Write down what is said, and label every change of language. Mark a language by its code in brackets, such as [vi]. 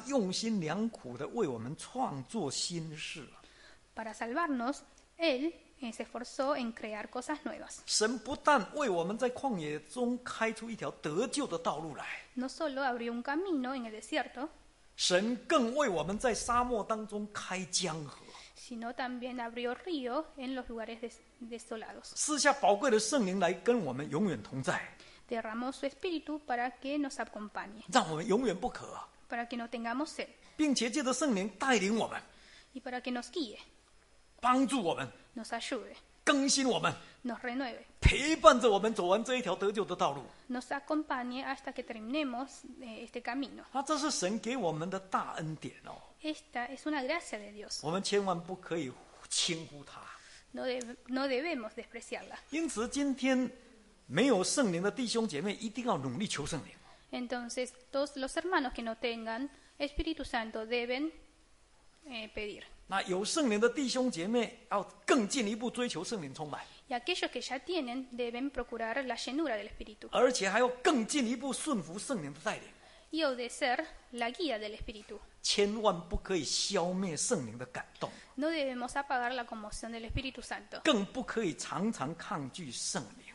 [zh] 神为了救我们，他用心良苦地为我们创作新事。 [es] Para salvarnos, Él se esforzó en crear cosas nuevas. [zh] 神不但为我们在旷野中开出一条得救的道路来。 [es] No solo abrió un camino en el desierto. [zh] 神更为我们在沙漠当中开江河。 [es] Sino también abrió río en los lugares desolados. [zh] 赐下宝贵的圣灵来跟我们永远同在。 [es] Derramó su espíritu para que nos acompañe. [zh] 让我们永远不渴, [es] para que no tengamos sed. [zh] 并且借着圣灵带领我们, [es] y para que nos guíe. [zh] 帮助我们, [es] nos ayude. [zh] 更新我们, [es] nos renueve. [zh] 陪伴着我们走完这一条得救的道路, [es] nos acompañe hasta que terminemos este camino. [zh] 啊, 这是神给我们的大恩典哦。 [es] Esta es una gracia de Dios. [zh] 我们千万不可以轻忽它。 [es] No debemos despreciarla. [zh] 因此今天, 没有圣灵的弟兄姐妹一定要努力求圣灵。 [es] Entonces, todos los hermanos que no tengan Espíritu Santo deben pedir. [zh] 那有圣灵的弟兄姐妹要更进一步追求圣灵充满。 [es] Y aquellos que ya tienen deben procurar la llenura del Espíritu. [zh] 而且还要更进一步顺服圣灵的带领。 [es] Y obedecer la guía del Espíritu. [zh] 千万不可以消灭圣灵的感动。 [es] No debemos apagar la conmoción del Espíritu Santo. [zh] 更不可以常常抗拒圣灵。